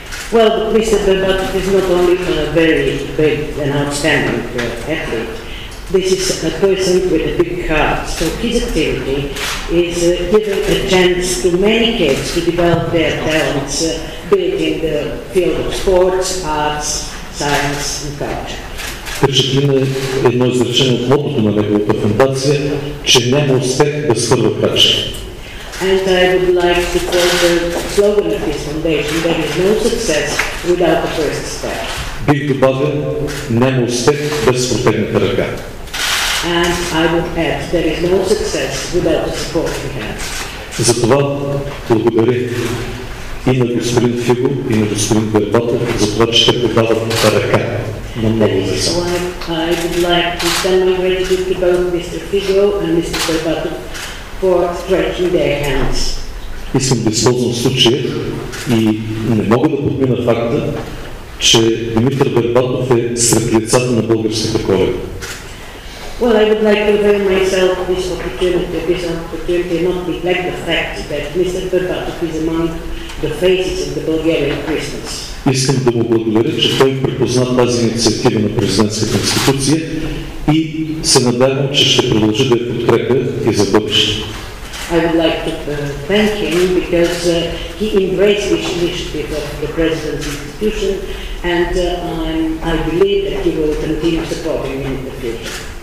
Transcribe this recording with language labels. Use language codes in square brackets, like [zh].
[en] Well, Mr. Бербатов is not only a very big and outstanding athlete. This is a person with a big heart, so his activity is giving a chance to many kids to develop their talents, be it in the field of sports, arts, science and culture. [bg] Впечатлина е едно изречение от мотото на неговата фондация, че няма успех без първа крачка. [en] And I would like to quote the slogan of his foundation, there is no success without the first step. [bg] Бих добавил, няма успех без протегната ръка. [en] And I would add, there is no success without the support we have. [bg] Затова благодаря и на господин Фигу, и на господин Бербатов, за това, че те подават ръка на много деца. [en] I would like to send my gratitude to both Mr. Figo and Mr. Bervato for stretching their hands. [bg] Искам да използвам случая и не мога да подмина факта, че Димитър Бербатов е сред децата на българските хора. [en] Well, I would like to avail myself of this opportunity and not neglect the fact that Mr. Bervatov is among the faces of the Bulgarian Christmas. [bg] Искам да му благодаря, че той припозна тази инициатива на президентската институция и се надявам, че ще продължи да я подкрепя и за бъдеще. [en] I would like to thank him because he embraced this initiative of the President's institution and I believe that he will continue supporting him in the future.